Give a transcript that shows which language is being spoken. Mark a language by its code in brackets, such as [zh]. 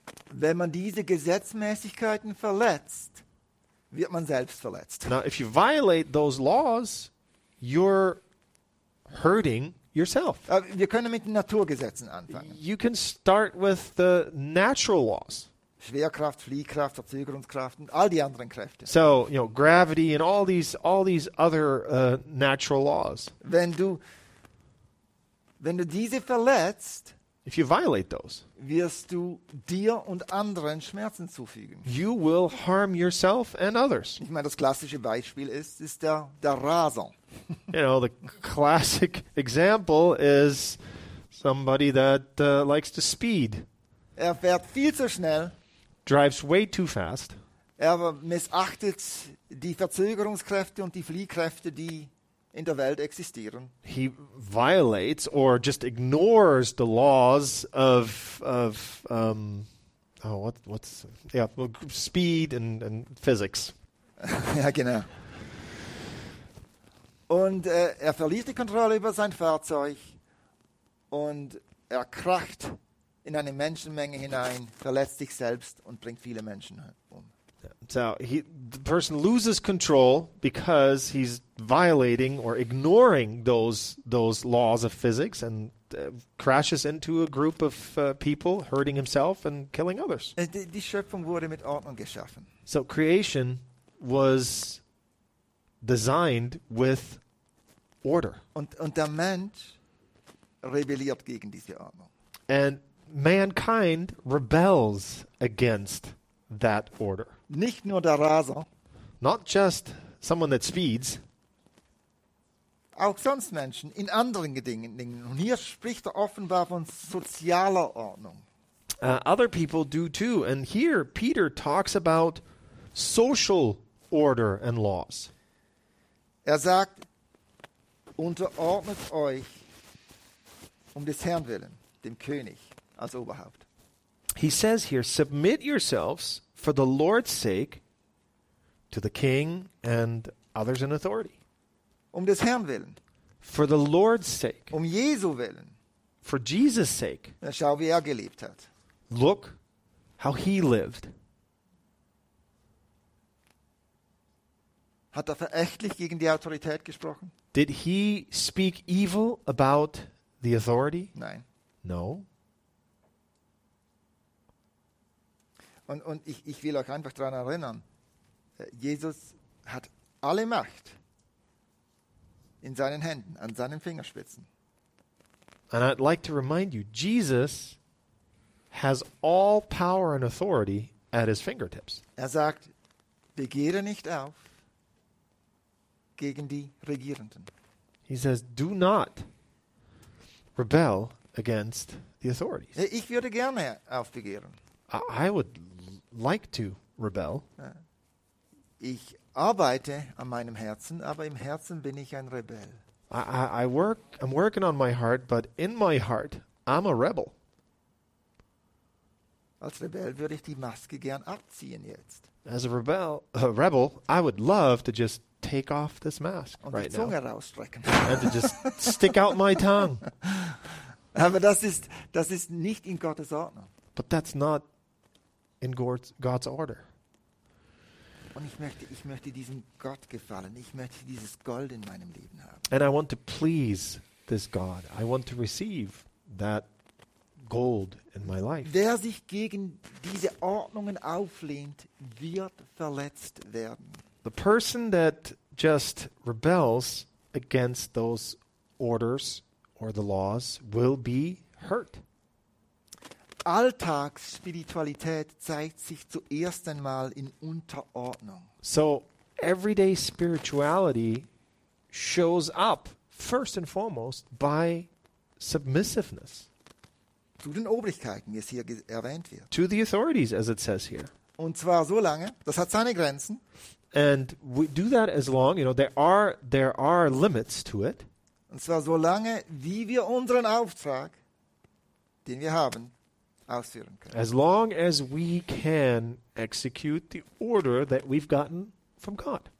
[de] Wenn man diese Gesetzmäßigkeiten verletzt, wird man selbst verletzt. [en] Now if you violate those laws, you're hurting yourself. [de] Wir können mit den Naturgesetzen anfangen. [en] You can start with the natural laws. [de] Schwerkraft, Fliehkraft, Verzögerungskraft und all die anderen Kräfte. [en] So, you know, gravity and all these other natural laws. [de] Wenn du diese verletzt, [en] if you violate those, [de] wirst du dir und anderen Schmerzen zufügen. [en] You will harm yourself and others. [de] Ich meine, das klassische Beispiel ist der Rasen. [en] You know, the classic example is somebody that likes to speed. [de] Er fährt viel zu schnell. [en] Drives way too fast. [de] Er missachtet die Verzögerungskräfte und die Fliehkräfte, die in der Welt existieren. [en] He violates or just ignores the laws speed and physics. [de] Ja, genau. Und er verliert die Kontrolle über sein Fahrzeug und er kracht in eine Menschenmenge hinein, verletzt sich selbst und bringt viele Menschen um. [en] So the person loses control because he's violating or ignoring those laws of physics and crashes into a group of people, hurting himself and killing others. [de] Die Schöpfung wurde mit Ordnung geschaffen. [en] So creation was designed with order. [de] Und der Mensch rebelliert gegen diese Ordnung. [en] And mankind rebels against that order. [de] Nicht nur der Raser. [en] Not just someone that speeds. [de] Auch sonst Menschen in anderen Dingen. Und hier spricht er offenbar von sozialer Ordnung. [en] Other people do too. And here Peter talks about social order and laws. [de] Er sagt, unterordnet euch um des Herrn willen, dem König als Oberhaupt. [en] He says here, submit yourselves for the Lord's sake to the king and others in authority. [de] Um des Herrn willen. [en] For the Lord's sake. [de] Um Jesu willen. [en] For Jesus' sake. [de] Ja, schau, wie er gelebt hat. [en] Look how he lived. [de] Hat er verächtlich gegen die Autorität gesprochen? [en] Did he speak evil about the authority? [de] Nein. [en] No. [de] Und ich will euch einfach daran erinnern, Jesus hat alle Macht in seinen Händen, an seinen Fingerspitzen. [en] And I'd like to remind you, Jesus has all power and authority at his fingertips. [de] Er sagt, begehre nicht auf gegen die Regierenden. [en] He says, do not rebel against the authorities. [de] Ich würde gerne aufbegehren. [en] I would like to rebel. [de] Ich arbeite an meinem Herzen, aber im Herzen bin ich ein Rebell. [en] I'm working on my heart, but in my heart, I'm a rebel. [de] Als Rebell würde ich die Maske gern abziehen jetzt. [en] As a rebel, I would love to just take off this mask [de] und [en] right [de] die Zunge [en] now. [de] Rausstrecken. [en] And to just stick out my tongue. [de] Aber das ist nicht in Gottes Ordnung. [en] But that's not in God's order. [de] Und ich möchte diesem Gott gefallen. Ich möchte dieses Gold in meinem Leben haben. [en] And I want to please this God. I want to receive that gold in my life. [de] Wer sich gegen diese Ordnungen auflehnt, wird verletzt werden. [en] The person that just rebels against those orders or the laws will be hurt. [de] Alltagsspiritualität zeigt sich zuerst einmal in Unterordnung. [en] So everyday spirituality shows up first and foremost by submissiveness. [de] Zu den Obrigkeiten, wie es hier erwähnt wird. [en] To the authorities, as it says here. [de] Und zwar so lange, das hat seine Grenzen. [en] And we do that as long, you know, there are limits to it. [de] Und zwar so lange, wie wir unseren Auftrag, den wir haben, ausführen können. [en] As long as we can execute the order that we've gotten from God.